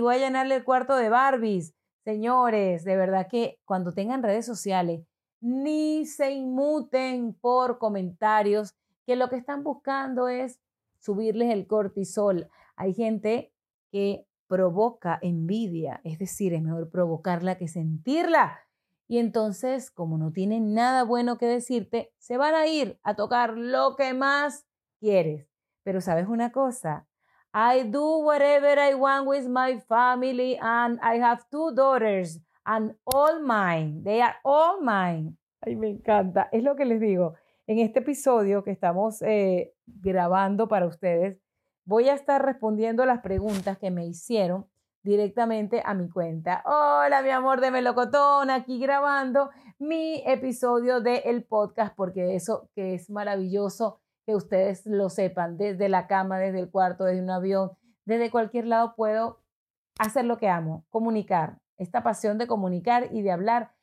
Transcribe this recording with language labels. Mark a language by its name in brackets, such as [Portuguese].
[Spanish] Voy a llenarle el cuarto de Barbies. Señores, de verdad que cuando tengan redes sociales, ni se inmuten por comentarios, que lo que están buscando es subirles el cortisol. Hay gente que provoca envidia, es decir, es mejor provocarla que sentirla. Y entonces, como no tienen nada bueno que decirte, se van a ir a tocar lo que más quieres. Pero ¿sabes una cosa? [English] I do whatever I want with my family and I have two daughters and all mine. They are all mine. [Spanish] Ay, me encanta. Es lo que les digo. En este episodio que estamos grabando para ustedes, voy a estar respondiendo las preguntas que me hicieron directamente a mi cuenta. Hola, mi amor de Melocotón, aquí grabando mi episodio del podcast, porque eso que es maravilloso que ustedes lo sepan, desde la cama, desde el cuarto, desde un avión, desde cualquier lado puedo hacer lo que amo, comunicar, esta pasión de comunicar y de hablar.